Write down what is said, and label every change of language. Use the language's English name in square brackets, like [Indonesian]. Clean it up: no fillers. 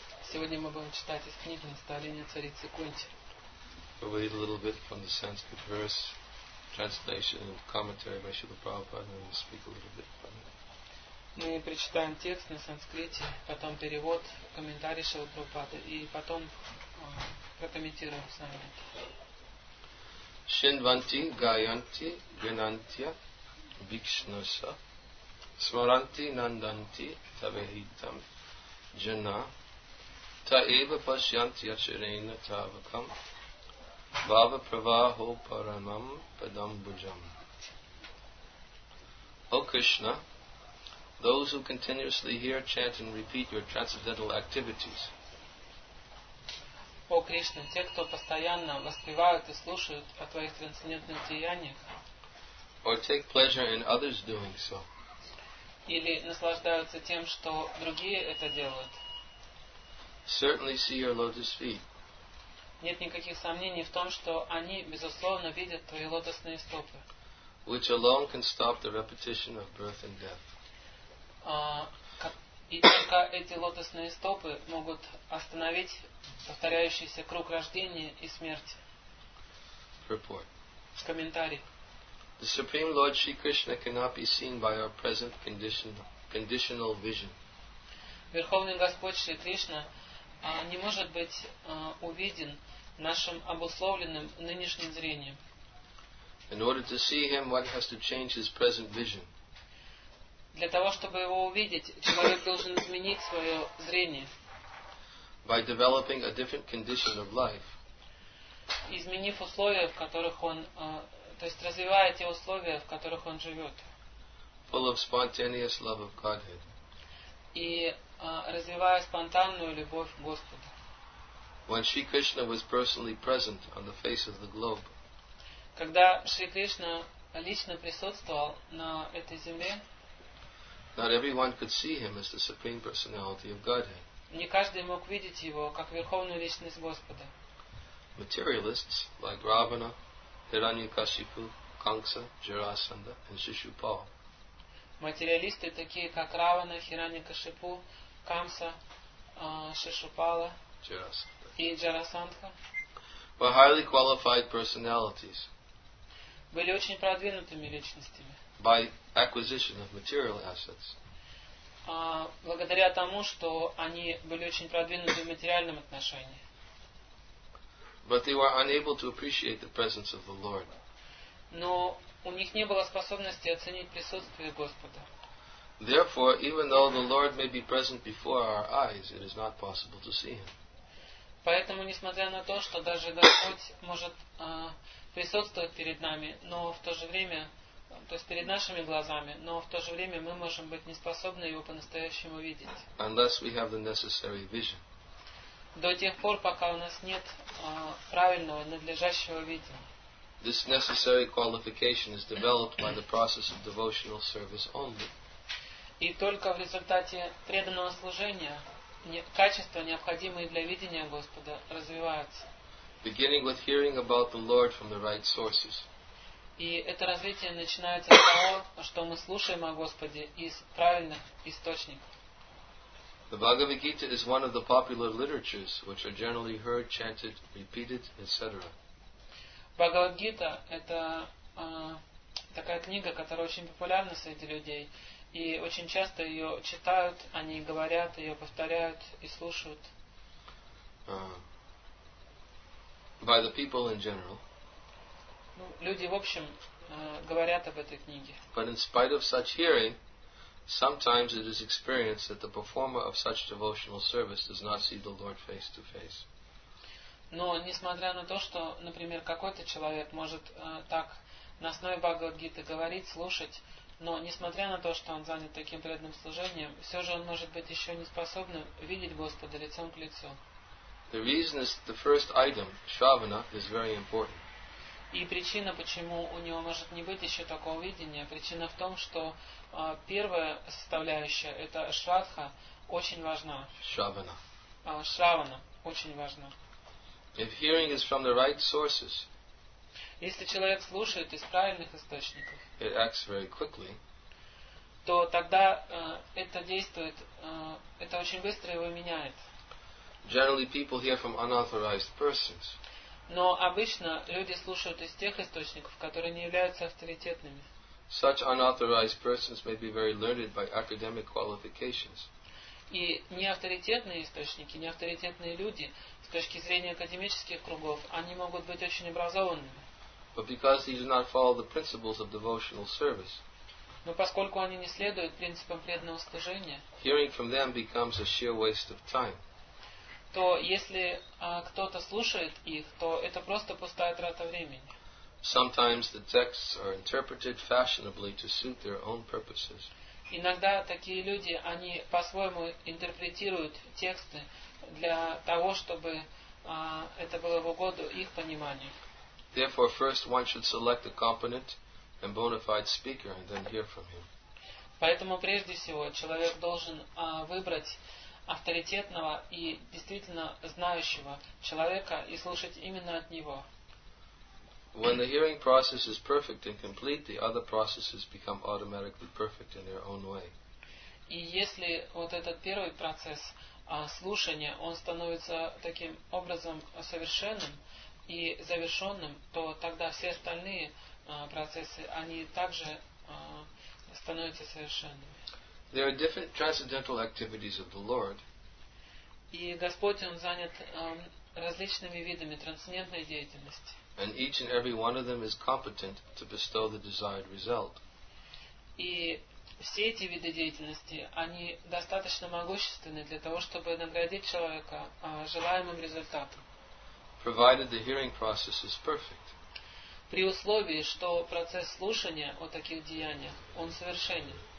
[Russian] Сегодня мы будем читать из книги «Наставления царицы Кунти». [English] We'll read a little bit from the Sanskrit verse translation and commentary by Śrīla Prabhupāda, and we'll speak a little bit from it. [Russian] Мы прочитаем текст на санскрите, потом перевод, комментарий Śrīla Prabhupāda, и потом прокомментируем с нами. [Sanskrit] Śrīnvanti gāyanti ganantya vikṣṇasa Smaranti nandanti tavehitam jana ta eva pasyanti acharena tavakam bhava pravaho paramam padam bhujam. [English] O Krishna, those who continuously hear, chant and repeat your transcendental activities. [Russian] O Krishna, те, кто постоянно воспевают и слушают о твоих трансцендентных деяниях. [English] Or take pleasure in others doing so. [Russian] Или наслаждаются тем, что другие это делают. [English] Certainly see your lotus feet. [Russian] Нет никаких сомнений в том, что они, безусловно, видят твои лотосные стопы. [English] Which alone can stop the repetition of birth and death. [Russian] И только эти лотосные стопы могут остановить повторяющийся круг рождения и смерти. [English] Report. [Russian] Комментарий. [English] The Supreme Lord Shri Krishna cannot be seen by our present conditional vision. [Russian] Верховный Господь Шри Кришна не может быть увиден нашим обусловленным нынешним зрением. [English] In order to see him, one has to change his present vision. [Russian] Для того, чтобы его увидеть, человек должен изменить свое зрение. [English] By developing a different condition of life. [Russian] Изменив условия, в которых он то есть развивая те условия, в которых он живет. [English] Full of spontaneous love of Godhead. [Russian] И развивая спонтанную любовь к Господу. [English] When Shri Krishna was personally present on the face of the globe. [Russian] Когда Шри Кришна лично присутствовал на этой земле. [English] Not everyone could see him as the supreme personality of Godhead. [Russian] Не каждый мог видеть его как верховную личность Господа. [English] Materialists like Ravana, Hiranyakashipu, Kamsa, Jarasandha, and Shishupal. [Russian] Материалисты такие как Равана, Хираньякашипу, Камса, Шишупала и Джарасандха. [English] Were highly qualified personalities. [Russian] Были очень продвинутыми личностями. [English] By acquisition of material assets. [Russian] Благодаря тому, что они были очень продвинуты в материальном отношении. [English] But they were unable to appreciate the presence of the Lord. [Russian] Но у них не было способности оценить присутствие Господа. [English] Therefore, even though the Lord may be present before our eyes, it is not possible to see him. [Russian] Поэтому, несмотря на то, что даже Господь может присутствовать перед нами, но в то же время, то есть перед нашими глазами, но в то же время мы можем быть неспособны его по-настоящему видеть. [English] Unless we have the necessary vision. [Russian] До тех пор, пока у нас нет правильного, надлежащего видения. [English] This necessary qualification is developed by the process of devotional service only. [Russian] И только в результате преданного служения качества, необходимые для видения Господа, развиваются. [English] Beginning with hearing about the Lord from the right sources. [Russian] И это развитие начинается с того, что мы слушаем о Господе из правильных источников. [English] The Bhagavad Gita is one of the popular literatures which are generally heard, chanted, repeated, etc. [Russian] Bhagavad Gita это такая книга, которая очень популярна среди людей, и очень часто её читают, они говорят, её повторяют и слушают. [English] By the people in general. [Russian] Ну, люди в общем говорят об этой книге. [English] But in spite of such hearing, sometimes it is experienced that the performer of such devotional service does not see the Lord face to face. [Russian] Но несмотря на то, что, например, какой-то человек может так на основе Бхагавад-гиты говорить, слушать, но несмотря на то, что он занят таким преданным служением, все же он может быть еще не способным видеть Господа лицом к лицу. [English] The reason is the first item, Shravana, is very important. [Russian] И причина, почему у него может не быть еще такого видения, причина в том, что первая составляющая, это шрадха, очень важна. Шравана. Шравана, очень важно. [English] If hearing is from the right sources, [Russian] если человек слушает из правильных источников, [English] it acts very quickly, [Russian] то тогда это действует, это очень быстро его меняет. [English] Generally, people hear from unauthorized persons. [Russian] Но обычно люди слушают из тех источников, которые не являются авторитетными. [English] Such unauthorized persons may be very learned by academic qualifications. [Russian] И неавторитетные источники, неавторитетные люди, с точки зрения академических кругов, они могут быть очень образованными. [English] But because they do not follow the principles of devotional service, [Russian] но поскольку они не следуют принципам преданного служения, [English] hearing from them becomes a sheer waste of time. [Russian] То если кто-то слушает их, то это просто пустая трата времени. [English] Sometimes the texts are interpreted fashionably to suit their own purposes. [Russian] Иногда такие люди, они по-своему интерпретируют тексты для того, чтобы это было в угоду их пониманию. [English] Therefore, first one should select a competent and bona fide speaker and then hear from him. [Russian] Поэтому прежде всего человек должен выбрать авторитетного и действительно знающего человека и слушать именно от него. [English] When the hearing process is perfect and complete, the other processes become automatically perfect in their own way. [Russian] И если вот этот первый процесс слушания, он становится таким образом совершенным и завершенным, то тогда все остальные процессы, они также становятся совершенными. [English] There are different transcendental activities of the Lord. [Russian] И Господь, Он занят различными видами трансцендентной деятельности. [English] And each and every one of them is competent to bestow the desired result. [Russian] И все эти виды деятельности, они достаточно могущественны для того, чтобы наградить человека желаемым результатом. [English] Provided the hearing process is perfect. [Russian] При условии, что процесс слушания о таких деяниях, он совершенен.